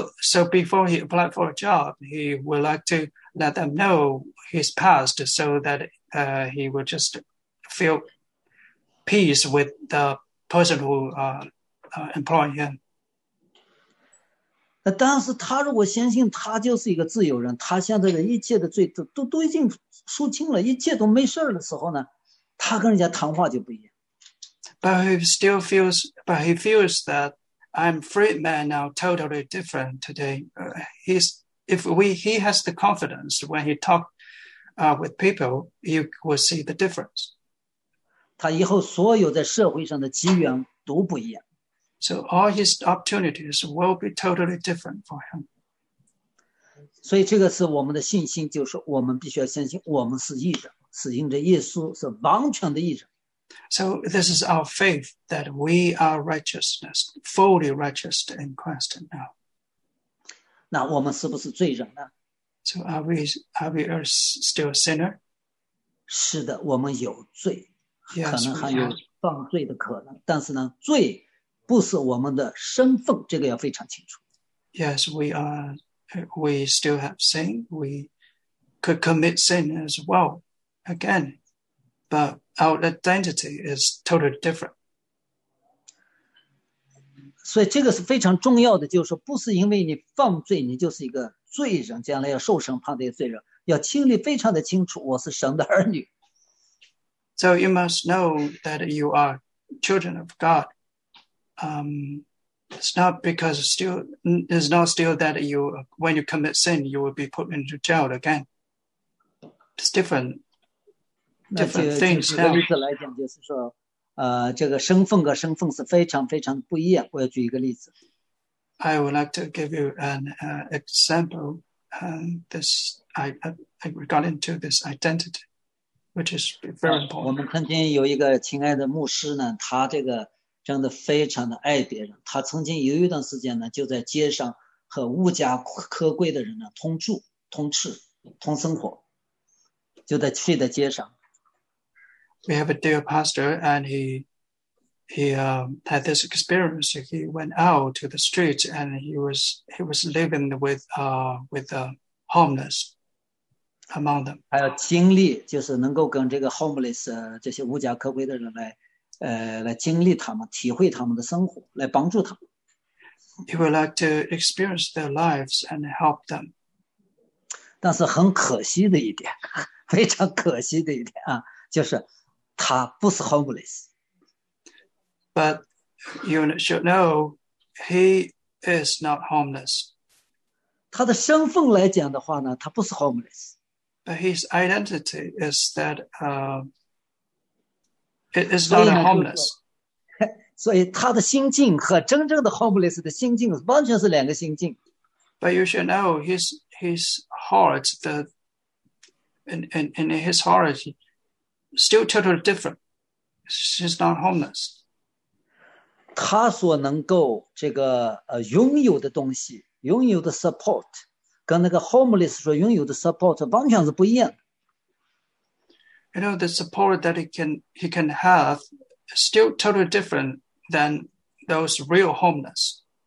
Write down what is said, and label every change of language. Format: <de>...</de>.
<en>So before he applied for a job, he would like to let them know his past so that he would just feel peace with the person who employed him.</en> <zh>但是他如果相信他就是一个自由人，他现在的一切的罪都已经肃清了，一切都没事的时候呢，他跟人家谈话就不一样。</zh> <en>But he feels that I'm free man now, totally different today. If he has the confidence when he talks with people, you will see the difference.</en> <zh>他以后所有在社会上的机缘都不一样。</zh> <en>So all his opportunities will be totally different for him.</en> <zh>所以这个是我们的信心，就是我们必须要相信我们是义人，是因着耶稣是完全的义人。</zh> <en>So this is our faith that we are righteousness, fully righteous in Christ now.</en> <zh>那我们是不是罪人呢？</zh> <en>So are we still a sinner?</en> <zh>是的，我们有罪，</zh> <en>yes,</en> <zh>可能还有犯罪的可能。但是呢，罪不是我们的身份，这个要非常清楚。</zh> <en>Yes, we are. We still have sin. We could commit sin as well again, but our identity is totally different.</en> <zh>所以这个是非常重要的，就是说不是因为你犯罪，你就是一个罪人，将来要受审判的一个罪人，要清理非常的清楚，我是神的儿女。</zh> <en>So you must know that you are children of God. It's not because still, it's not still that you, when you commit sin, you will be put into jail again. It's different, different things now.</en> <zh>举个例子来讲，就是说。这个生奉和生奉是非常非常不一样。我要举一个例子。</zh> <en>I would like to give you an example this, regarding to this identity, which is very important.</en> <zh>我们曾经有一个亲爱的牧师呢，他这个真的非常的爱别人。他曾经有一段时间呢，就在街上和物价可贵的人呢同住、同吃、同生活，就在去的街上。</zh> <en>We have a dear pastor, and he had this experience. He went out to the streets, and he was living with the homeless among them.</en> <zh>还有经历，就是能够跟这个 homeless 这些无家可归的人来，来经历他们，体会他们的生活，来帮助他们。</zh> <en>He would like to experience their lives and help them.</en> <zh>但是很可惜的一点，非常可惜的一点啊，就是。他不是 homeless,</zh> <en>but you should know he is not homeless.</en> <zh>他的身份来讲的话呢，他不是 homeless.</zh> <en>But his identity is that it is not a homeless.</en> <zh>所以他的心境和真正的 homeless 的心境完全是两个心境。</zh> <en>But you should know his heart, the in his heart. Still totally different. She's not homeless.</en> <zh>他所能够这个拥有的东西，拥有的 support, 跟那个 homeless 所拥有的 support 完全是不一样。</zh> <en>You know, the support that he can have is still totally different than those real homeless.</en>